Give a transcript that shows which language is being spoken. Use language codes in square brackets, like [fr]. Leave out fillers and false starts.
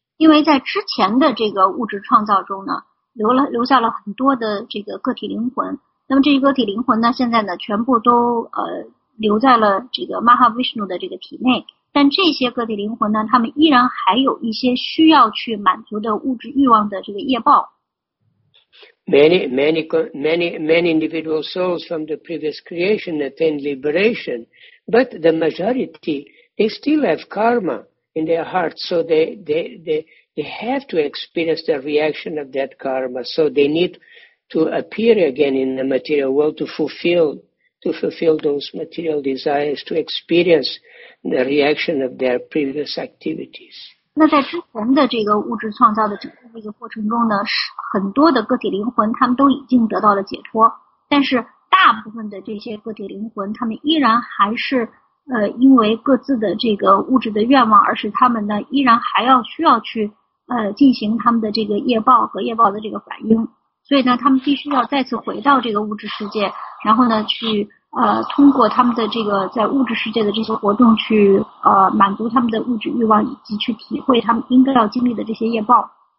[zh] 因为在之前的这个物质创造中呢，留下了很多的这个个体灵魂。那么这些个体灵魂呢，现在呢，全部都留在了这个 Mahavishnu 的这个体内。但这些个体灵魂呢，他们依然还有一些需要去满足的物质欲望的这个业报。 [en] Many individual souls from the previous creation attained liberation, but the majority they still have karma in their hearts, so they have to experience the reaction of that karma, so they need to appear again in the material world to fulfill those material desires, to experience the reaction of their previous activities. [zh] 那在之前的这个物质创造的整个这个过程中呢，很多的个体灵魂他们都已经得到了解脱，但是大部分的这些个体灵魂他们依然还是因为各自的这个物质的愿望，而使他们呢依然还要需要去进行他们的这个业报和业报的这个反应，所以呢他们必须要再次回到这个物质世界，然后呢去通过他们的这个在物质世界的这些活动去满足他们的物质欲望，以及去体会他们应该要经历的这些业报。